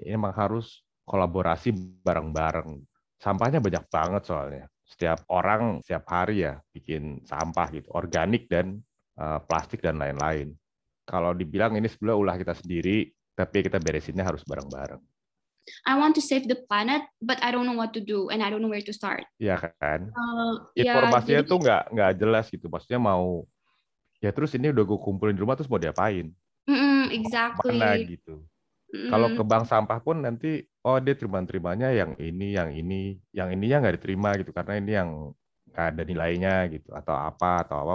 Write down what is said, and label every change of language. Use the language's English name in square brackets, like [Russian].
[Indonesian] Ini emang harus kolaborasi bareng-bareng. Sampahnya banyak banget soalnya. Setiap orang setiap hari ya bikin sampah gitu, organik dan plastik dan lain-lain. Kalau dibilang ini sebenarnya ulah kita sendiri, tapi kita beresinnya harus bareng-bareng. [English] I want to save the planet, but I don't know what to do and I don't know where to start. [Indonesian] Iya kan? Informasinya jadi tuh nggak jelas gitu. Maksudnya mau ya terus ini udah gue kumpulin di rumah terus mau diapain? [English] Exactly. [Indonesian] Mana gitu? Kalau ke bank sampah pun nanti oh dia terima-terimanya yang ininya nggak diterima gitu karena ini yang nggak ada nilainya gitu atau apa.